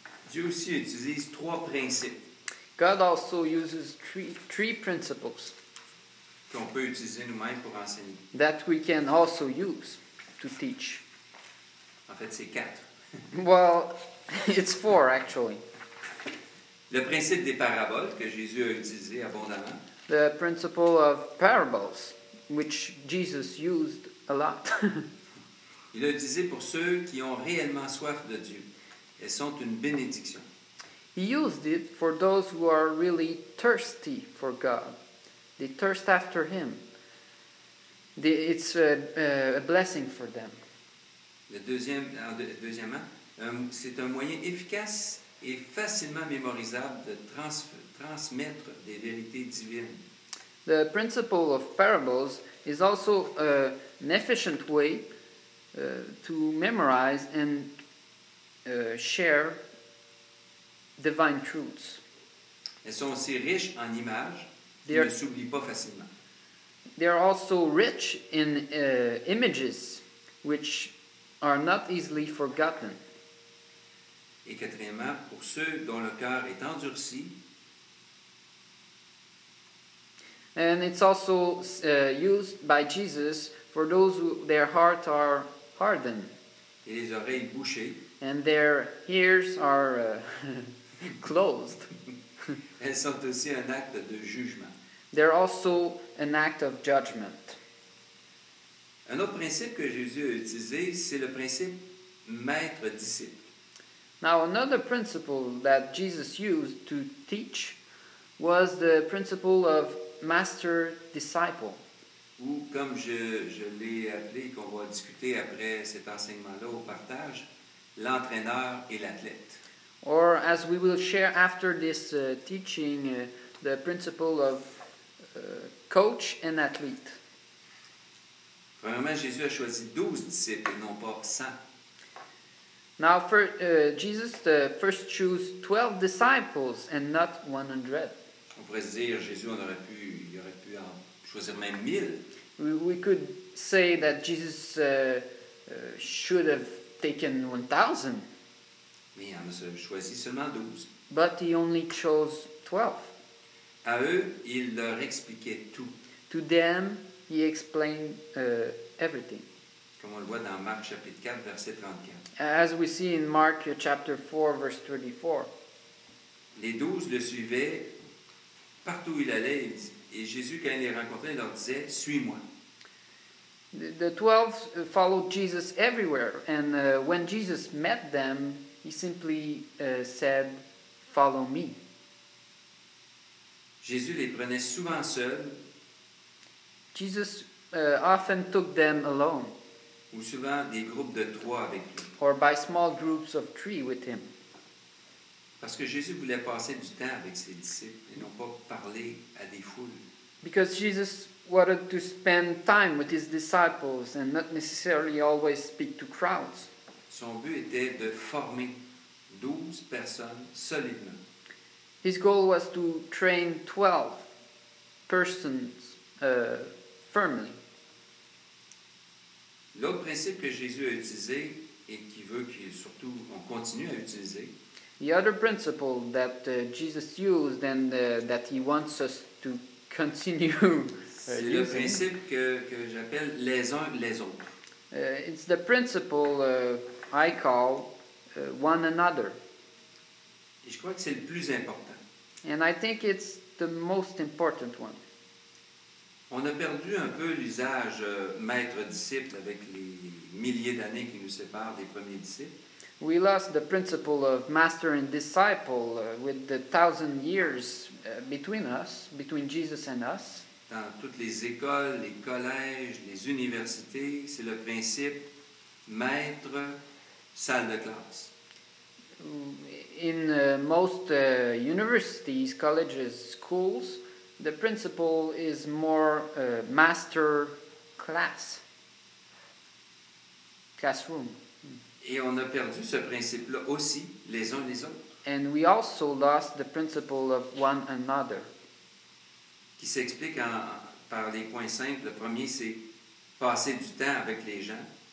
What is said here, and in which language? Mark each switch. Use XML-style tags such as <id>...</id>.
<fr>Dieu aussi utilise trois principes.</fr> <en>God also uses three principles</en> <fr>qu'on peut utiliser nous-mêmes pour enseigner.</fr> <en>That we can also use to teach.</en> <fr>En fait, c'est quatre.</fr> <en>Well, it's four, actually.</en> <fr>Le principe des paraboles que Jésus a utilisé abondamment.</fr> <en>The principle of parables, which Jesus used a lot.</en> <fr>Il a utilisé pour ceux qui ont réellement soif de Dieu. Elles sont une bénédiction.</fr> <en>He used it for those who are really thirsty for God. They thirst after Him. It's a blessing for them.</en> <fr>Deuxièmement, c'est un moyen efficace et facilement mémorisable de transmettre des vérités divines.</fr> <en>The principle of parables is also an efficient way to memorize and share divine truths.</en> <fr>Elles sont aussi riches en images qu'ils ne s'oublient pas facilement.</fr> <en>They are also rich in images which are not easily forgotten.</en> <fr>Et quatrièmement, pour ceux dont le cœur est endurci.</fr> <en>And it's also used by Jesus for those who their hearts are hardened.</en> <fr>Et les oreilles bouchées.</fr> <en>And their ears are closed.</en> <fr>Elles sont aussi un acte de jugement.</fr> <en>They're also an act of judgment.</en> <fr>Un autre principe que Jésus a utilisé, c'est le principe maître-disciple.</fr> <en>Now, another principle that Jesus used to teach was the principle of master-disciple.</en> <fr>Ou comme je l'ai appelé, qu'on va discuter après cet enseignement-là au partage, l'entraîneur et l'athlète.</fr> <en>Or, as we will share after this teaching, the principle of coach and athlete.</en> <fr>Premièrement, Jésus a choisi 12 disciples et non pas 100.</fr> <en>Now, for Jesus first chose 12 disciples and not 100.</en> <fr>On pourrait dire Jésus, il aurait pu en choisir même 1000.</fr> <en>We could say that Jesus should have taken 1000.</en> <fr>Mais il en a choisi seulement 12.</fr> <en>But he only chose 12.</en> <fr>À eux, il leur expliquait tout.</fr> <en>To them, he explained everything.</en> <fr>Comme on le voit dans Marc chapitre 4, verset 34.</fr> <en>As we see in Mark chapter 4, verse 34.</en> <fr>Les douze le suivaient partout où il allait, et Jésus, quand il les rencontrait, leur disait, suis-moi.</fr> <en>The 12 followed Jesus everywhere, and when Jesus met them, he simply said, follow me.</en> <fr>Jésus les prenait souvent seuls.</fr> <en>Jesus often took them alone.</en> <fr>Ou souvent des groupes de trois avec lui.</fr> <en>Or by small groups of three with him.</en> <fr>Parce que Jésus voulait passer du temps avec ses disciples et non pas parler à des foules.</fr> <en>Because Jesus wanted to spend time with his disciples and not necessarily always speak to crowds.</en> <fr>Son but était de former 12 personnes solidement.</fr> <en>His goal was to train 12 persons firmly.</en> <fr>L'autre principe que Jésus a utilisé et qui veut que surtout on continue à utiliser.</fr> <en>The other principle that Jesus used and that he wants us to continue using.</en> <fr>C'est le principe que j'appelle les uns les autres.</fr> <en>It's the principle I call one another.</en> <fr>Et je crois que c'est le plus important.</fr> <en>And I think it's the most important one.</en> <fr>On a perdu un peu l'usage maître-disciple avec les milliers d'années qui nous séparent des premiers disciples.</fr> <en>We lost the principle of master and disciple with the thousand years between us, between Jesus and us.</en> <fr>Dans toutes les écoles, les collèges, les universités, c'est le principe maître salle de classe.</fr> <en>In most universities, colleges, schools, the principle is more master class, classroom.</en> <fr>Et on a perdu ce principe-là aussi, les uns les autres.</fr> <en>And we also lost the principle of one another.</en> <fr>Qui s'explique par les points simples. Le premier, c'est passer du temps avec les gens.</fr>